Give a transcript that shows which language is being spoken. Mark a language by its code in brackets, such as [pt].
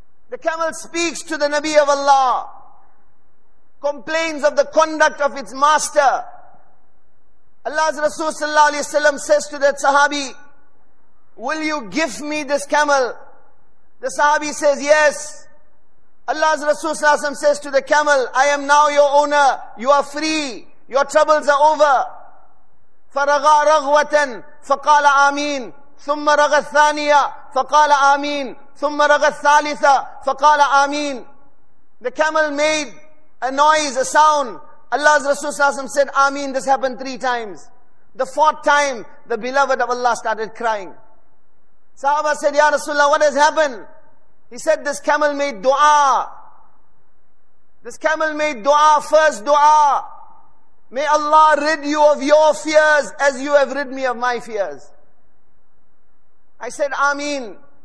[en] The camel speaks to the Nabi of Allah, complains of the conduct of its master. Allah's Rasul sallallahu alaihi wasallam says to that Sahabi, "Will you give me this camel?" The Sahabi says, "Yes." Allah's Rasul sallallahu alaihi wasallam says to the camel, "I am now your owner. You are free. Your troubles are over." [ar] فَرَغَى رَغْوَةً فَقَالَ آمِينَ ثُمَّ رَغَى الثَّانِيَةَ فَقَالَ آمِينَ ثُمَّ رَغَى الثَّالِثَةَ فَقَالَ آمِينَ. [en] The camel made a noise, a sound. Allah's Rasul sallallahu alaihi wasallam said, "Ameen." This happened 3 times. The 4th time, the beloved of Allah started crying. Sahaba said, "Ya Rasulullah, what has happened?" He said, "This camel made dua. This camel made dua, first dua. May Allah rid you of your fears as you have rid me of my fears." I said, "Ameen."